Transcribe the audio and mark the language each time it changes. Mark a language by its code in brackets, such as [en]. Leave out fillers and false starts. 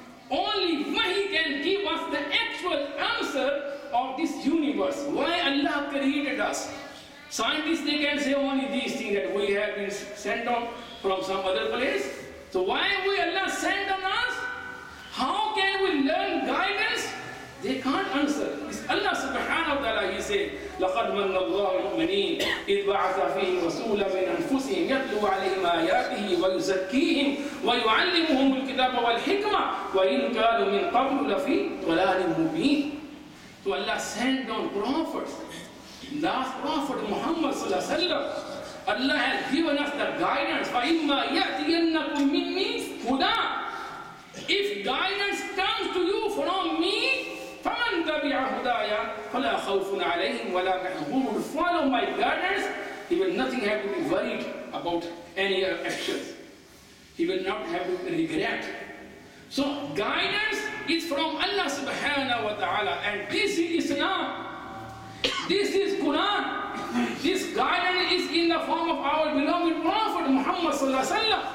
[en] Only Wahi can give us the actual answer of this universe. Why Allah created us? Scientists, they can say only these things, that we have been sent down from some other place. So why we Allah sent on us? How can we learn guidance? They can't answer. It's Allah subhanahu wa ta'ala, he said, [ar] لَقَدْ مَنَّ اللَّهُ الْمُؤْمِنِينَ إِذْ بَعَثَ فِيهِمْ رَسُولًا مِنْ أَنْفُسِهِمْ يَتْلُوْ عَلَيْهِمْ آيَاتِهِ وَيُزَكِّيهِمْ وَيُعَلِّمُهُمُ الْكِتَابَ وَالْحِكْمَةِ وَإِنْ كَانُوا مِنْ قَبْلُ لَفِي ضَلَالٍ مُبِينٍ. [en] So Allah sent down prophets. Last prophet Muhammad sallallahu alaihi wasallam. Allah has given us the guidance. [ar] فَإِمَّا يَأْتِيَنَّكُمْ مِنِّي هُدًى. [en] If guidance comes to you from me, [ar] فَمَنْ تَبِعَ هُدَايَ فَلَا خَوْفٌ عَلَيْهِمْ وَلَا مَحْزُونٌ. [en] Follow my guidance, he will nothing have to be worried about any actions. He will not have to regret. So guidance is from Allah subhanahu wa ta'ala, and this is Islam. This is Quran. This guidance is in the form of our beloved Prophet Muhammad sallallahu alaihi wasallam.